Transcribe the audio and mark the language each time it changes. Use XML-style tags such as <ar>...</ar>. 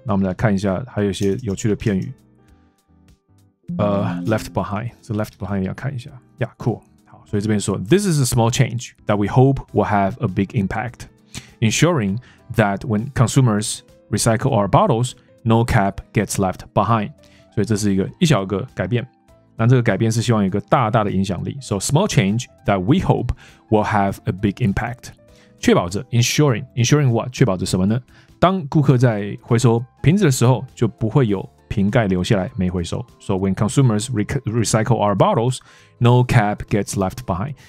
<zh>那我们来看一下，还有一些有趣的片语。</zh> <en>Left behind. So left behind</en> <zh>要看一下。</zh> <en>Yeah, cool.</en> <zh>好，所以这边说</zh> <en>，This is a small change that we hope will have a big impact, ensuring that when consumers recycle our bottles, no cap gets left behind.</en> <zh>所以这是一小个改变。那这个改变是希望有一个大大的影响力。</zh> <en>So small change that we hope will have a big impact.</en> <zh>确保着</zh> <en>ensuring what?</en> <zh>确保着什么呢？当顾客在回收瓶子的时候，就不会有瓶盖留下来没回收。</zh> <en>So when consumers recycle our bottles, no cap gets left behind.</en>